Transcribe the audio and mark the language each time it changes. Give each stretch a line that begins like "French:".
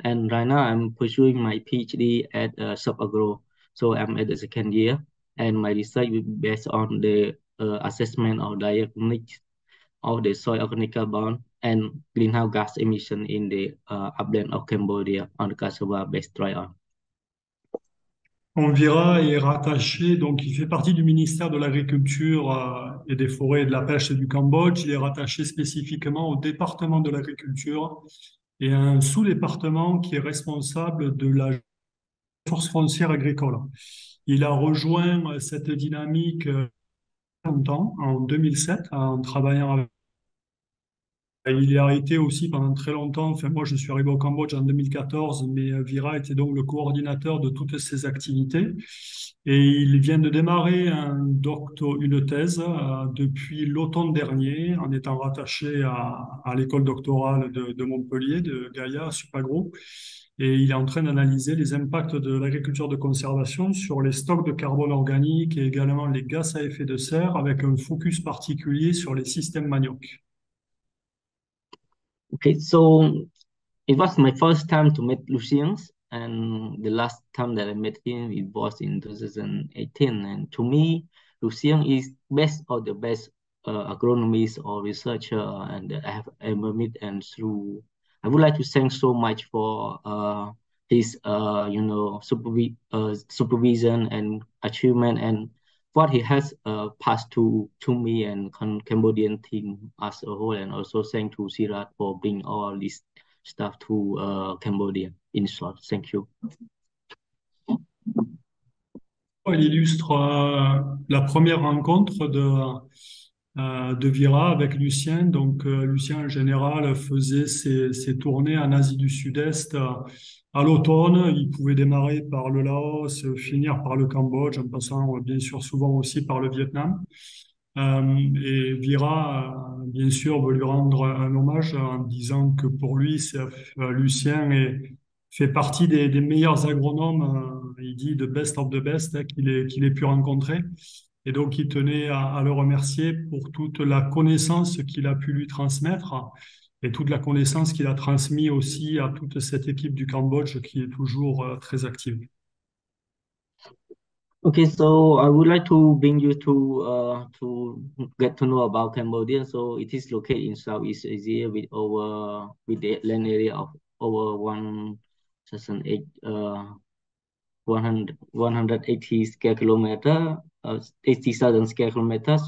English: And right now, I'm pursuing my PhD at SubAgro. So I'm at the second year, and my research will be based on the assessment of diagnostics of the soil organic carbon and greenhouse gas emission in the upland of Cambodia on the cassava-based trial.
French: Envira est rattaché, donc il fait partie du ministère de l'Agriculture et des Forêts et de la Pêche du Cambodge. Il est rattaché spécifiquement au département de l'Agriculture et à un sous-département qui est responsable de la force foncière agricole. Il a rejoint cette dynamique en 2007 en travaillant avec. Il y a été aussi pendant très longtemps, enfin moi je suis arrivé au Cambodge en 2014, mais Vira était donc le coordinateur de toutes ces activités. Et il vient de démarrer une thèse depuis l'automne dernier en étant rattaché à l'école doctorale de Montpellier, de Gaïa, SubAgro. Et il est en train d'analyser les impacts de l'agriculture de conservation sur les stocks de carbone organique et également les gaz à effet de serre avec un focus particulier sur les systèmes manioc.
English: Okay, so it was my first time to meet Lucien, and the last time that I met him, it was in 2018. And to me, Lucien is best of the best agronomist or researcher and I have ever met. And through, I would like to thank so much for his supervision and achievement and what he has passed to me and Cambodian team as a whole, and also thank to CIRAD for bringing all this stuff to Cambodia. In short, thank you.
French: Il illustre la première rencontre de Vira avec Lucien. Donc Lucien, en général, faisait ses tournées en Asie du Sud-Est à l'automne. Il pouvait démarrer par le Laos, finir par le Cambodge, en passant bien sûr souvent aussi par le Vietnam. Et Vira, bien sûr, veut lui rendre un hommage en disant que pour lui, Lucien fait partie des meilleurs agronomes, il dit, de
English: best of the best,
French: hein, qu'il ait pu rencontrer. Et donc, il tenait à le remercier pour toute la connaissance qu'il a pu lui transmettre et toute la connaissance qu'il a transmise aussi à toute cette équipe du Cambodge qui est toujours très active.
English: Okay, so I would like to bring you to get to know about Cambodia. So it is located in Southeast Asia with the land area of over 80,000 square kilometers.